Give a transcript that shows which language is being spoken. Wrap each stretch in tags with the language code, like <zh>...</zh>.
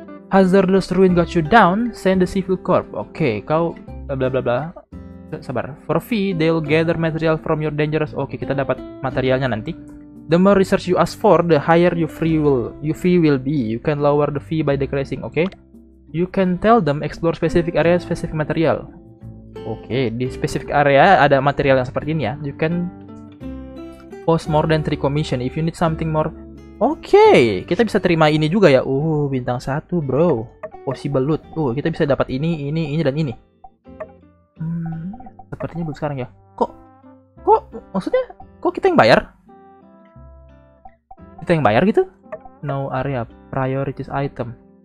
<en>Hazardous ruin got you down, send the Civil Corp. Oke, okay,</en> <id>kau bla bla bla bla. Sabar.</id> <en>For fee, they'll gather material from your dangerous. Oke, okay,</en> <id>kita dapat materialnya nanti.</id> <en>The more research you ask for, the higher your fee will be. You can lower the fee by decreasing, oke? Okay? You can tell them explore specific area specific material.</en> <id>Oke, okay, di specific area ada material yang seperti ini ya.</id> <en>You can post more than 3 commission if you need something more.</en> <id>Oke, okay, kita bisa terima ini juga ya. Bintang 1, bro.</id> <en>Possible loot.</en> <id>Kita bisa dapat ini dan ini. Sepertinya belum sekarang ya. Kok maksudnya kok kita yang bayar? Kita yang bayar gitu?</id> <en>No area priorities item.</en>